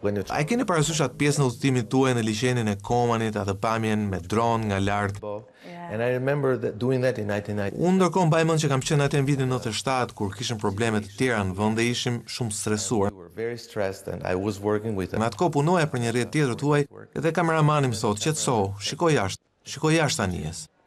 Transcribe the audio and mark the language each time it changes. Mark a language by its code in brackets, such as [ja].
[sq] A keni parasysh atë pjesë në udhëtimin tuaj në liçenin e Komanit, atë pamjen me dron nga lart? [en] And I remember that doing that in 1990. [sq] Unë ndërkohë mbaj mend që kam qenë atë vitin 97 kur kishim probleme të tjera në vend dhe ishim shumë stresuar. Në atë kohë punoja për një rrjet tjetër tuaj dhe kameramani më thotë, qetësohu, shiko jashtë tanies.